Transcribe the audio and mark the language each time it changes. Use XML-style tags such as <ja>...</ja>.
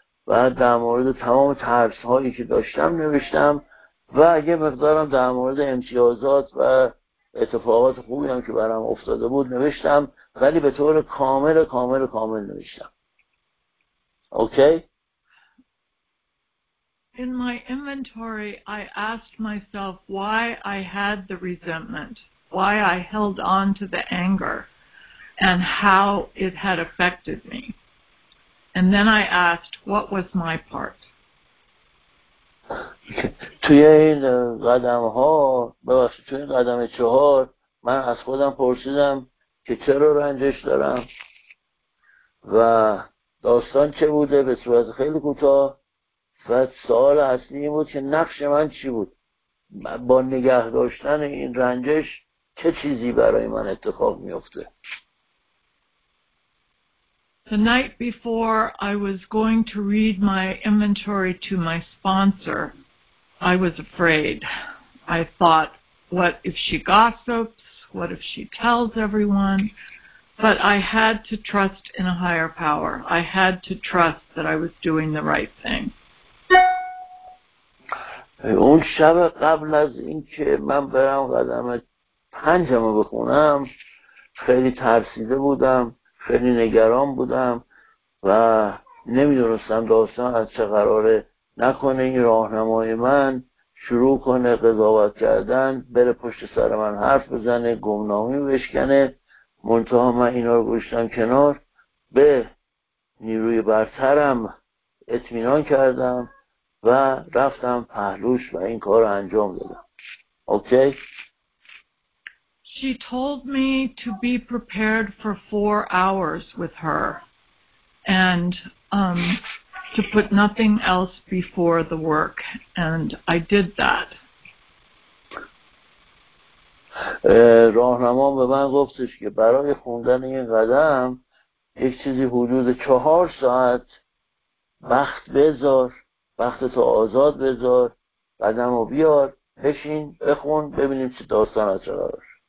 <fa>و در مورد تمام ترسهایی که داشتم نوشتم. و اگه مقدارم در مورد امتیازات و اتفاقات خوبی هم که برام افتاده بود نوشتم، ولی به طور کامل کامل کامل نوشتم.</fa> <en>Okay? In my inventory I asked myself why I had the resentment, why I held on to the anger and how it had affected me. And then I asked what was my part.</en> <fa>توی این قدم ها ببخشید توی قدم چهار من از خودم پرسیدم که چرا رنجش دارم و داستان چه بوده به صورت خیلی کوتاه، و سوال اصلی این بود که نقش من چی بود، با نگه داشتن این رنجش چه چیزی برای من اتفاق میفته.</fa> <en>The night before I was going to read my inventory to my sponsor, I was afraid. I thought, what if she gossips? What if she tells everyone? But I had to trust in a higher power. I had to trust that I was doing the right thing.</en> <fa>اون شب قبل از اینکه من برم قدم پنجم رو بخونم، خیلی ترسیده بودم. خیلی نگران بودم و نمیدونستم داستان از چه قراره. نکنه این راهنمای من شروع کنه قضاوت کردن، بره پشت سر من حرف بزنه، گمنامی بشکنه. منتها من اینا رو گوشتم کنار، به نیروی برترم اطمینان کردم و رفتم پهلوش و این کار رو انجام دادم.</fa> <en>Okay? She told me to be prepared for 4 hours with her and to put nothing else before the work, and I did that.</en> <fa>راهنما به من گفتش که برای خوندن این قدم یک چیزی حدود 4 ساعت وقت بذار، وقتت رو آزاد بذار، قدم رو بیار، بشین، بخون، ببینیم چه داستان از چه قرار.</fa>